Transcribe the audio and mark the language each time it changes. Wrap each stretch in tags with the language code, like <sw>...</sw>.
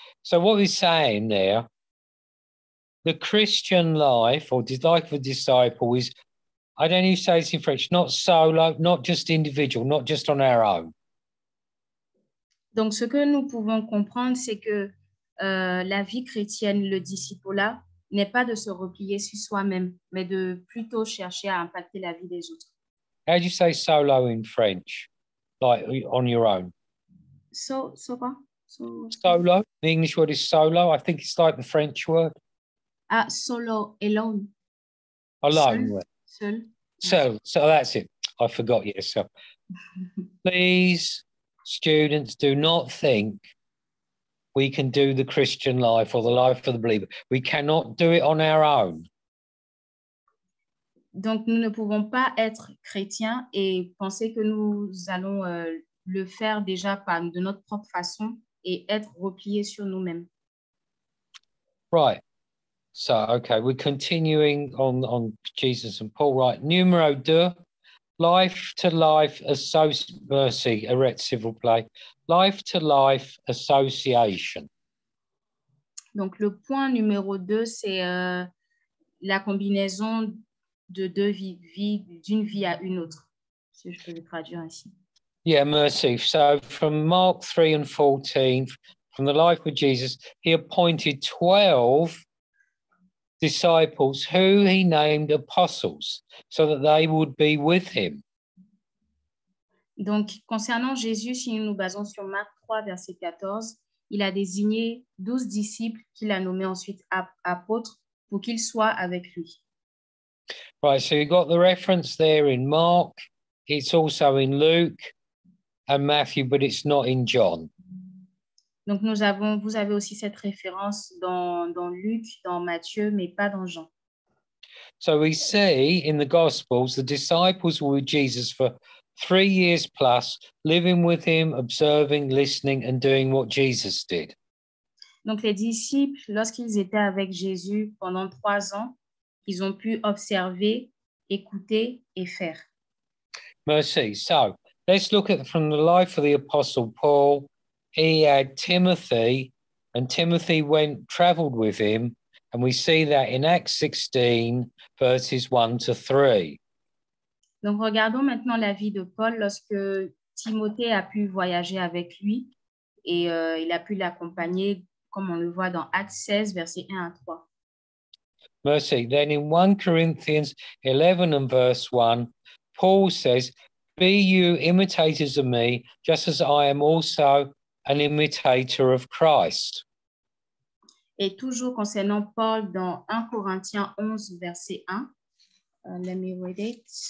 <en>So what he's saying there, the Christian life or life of a disciple is, I don't even say this in French, not solo, not just individual, not just on our own.</en> <fr>Donc, ce que nous pouvons comprendre, c'est que la vie chrétienne, le discipulat, n'est pas de se replier sur soi-même, mais de plutôt chercher à impacter la vie des autres.</fr> <en>How do you say solo in French? Like, on your own? Solo? The English word is solo. I think it's like the French word. Ah, solo, alone. Alone,</en> <fr>seul.</fr> <en>So that's it. I forgot yourself. Please, students, do not think we can do the Christian life or the life of the believer. We cannot do it on our own.</en> <fr>Donc, nous ne pouvons pas être chrétiens et penser que nous allons le faire déjà par de notre propre façon et être repliés sur nous-mêmes.</fr> <en>Right. So, okay, we're continuing on Jesus and Paul, right?</en> <fr>Numero deux,</fr> <en>life-to-life life-to-life association.</en> <fr>Donc, le point numéro deux, c'est la combinaison de deux vies, d'une vie à une autre, si je peux le traduire ainsi.</fr> <en>Yeah, merci. So, from Mark 3 and 14, from the life of Jesus, he appointed 12 disciples who he named apostles so that they would be with him.</en> <fr>Donc, concernant Jésus, si nous nous basons sur Marc 3, verset 14, il a désigné 12 disciples qu'il a nommés ensuite apôtres pour qu'ils soient avec lui.</fr> <en>Right, so you got the reference there in Mark. It's also in Luke and Matthew, but it's not in John.</en> <fr>Donc, vous avez aussi cette référence dans Luc, dans Matthieu, mais pas dans Jean.</fr> <en>So, we see in the Gospels, the disciples were with Jesus for 3 years plus, living with him, observing, listening, and doing what Jesus did.</en> <fr>Donc, les disciples, lorsqu'ils étaient avec Jésus pendant 3 ans, ils ont pu observer, écouter et faire. Merci.</fr> <en>So, let's look at from the life of the Apostle Paul. He had Timothy, and Timothy went traveled with him, and we see that in Acts 16, verses 1 to 3.</en> <fr>Donc, regardons maintenant la vie de Paul lorsque Timothée a pu voyager avec lui et il a pu l'accompagner, comme on le voit dans Acts 16, versets 1 à 3. Merci.</fr> <en>Then in 1 Corinthians 11 and verse 1, Paul says, "Be you imitators of me, just as I am also an imitator of Christ."</en> <fr>Et toujours concernant Paul dans 1 Corinthiens 11, verset 1.</fr> <en>Let me read it.</en>